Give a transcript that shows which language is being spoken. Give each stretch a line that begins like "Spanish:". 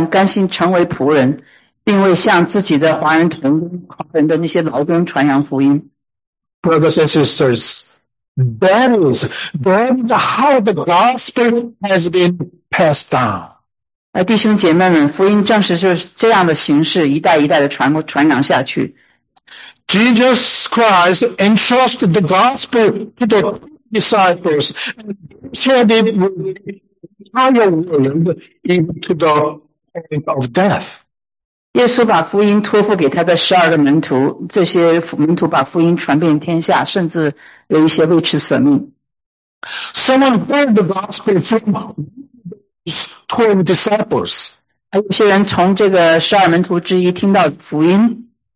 Chinese: 但是呢，他却选择远赴他乡，甘心成为仆人。并为向自己的华人同工、华人的那些劳工传扬福音。
English: Brothers and sisters, that is how the gospel has been passed down.
Chinese: 弟兄姐妹们，福音正是就是这样的形式，一代一代的传扬下去。
English: Jesus Christ entrusted the gospel to the disciples and shared it with the entire world even to the point of death.
Chinese: 耶稣把福音托付给他的12个门徒，这些门徒把福音传遍天下，甚至有一些未持舍命。
English: Someone heard the gospel from 12 disciples.
Chinese: 有些人从这个十二门徒之一听到福音